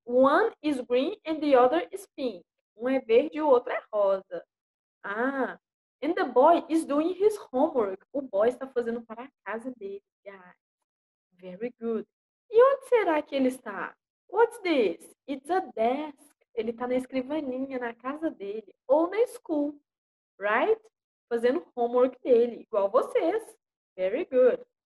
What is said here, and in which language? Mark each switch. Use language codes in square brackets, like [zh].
[en] One is green and the other is pink. [pt] Um é verde e o outro é rosa. [en] Ah, and the boy is doing his homework. [pt] O boy está fazendo para a casa dele, guys. [en] Very good. [pt] E onde será que ele está? [en] What's this? It's a desk. [pt] Ele está na escrivaninha, na casa dele. Ou na school, right? Fazendo homework dele, igual vocês. [en] Very good.